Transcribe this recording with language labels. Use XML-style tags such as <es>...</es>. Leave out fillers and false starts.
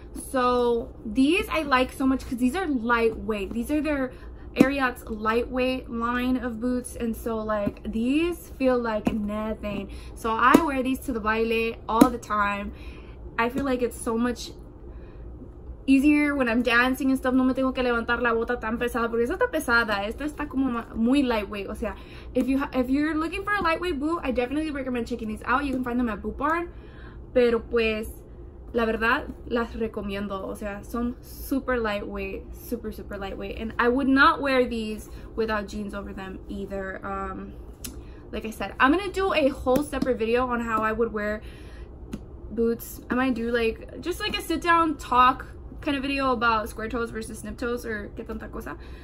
<en>So these I like so much because these are lightweight. These are their Ariat's lightweight line of boots, and so like these feel like nothing. So I wear these to the baile all the time. I feel like it's so much easier when I'm dancing and stuff.</en> <es>No me tengo que levantar la bota tan pesada, porque esta está pesada. Esta está como muy lightweight. O sea,</es> <en>if you're looking for a lightweight boot, I definitely recommend checking these out. You can find them at Boot Barn.</en> <es>Pero pues, la verdad, las recomiendo. O sea, son super lightweight, super, super lightweight.</es> <en>And I would not wear these without jeans over them either. Like I said, I'm gonna do a whole separate video on how I would wear boots. I might do like, just like a sit down talk kind of video about square toes versus snip toes or</en> <es>que tanta cosa.</es>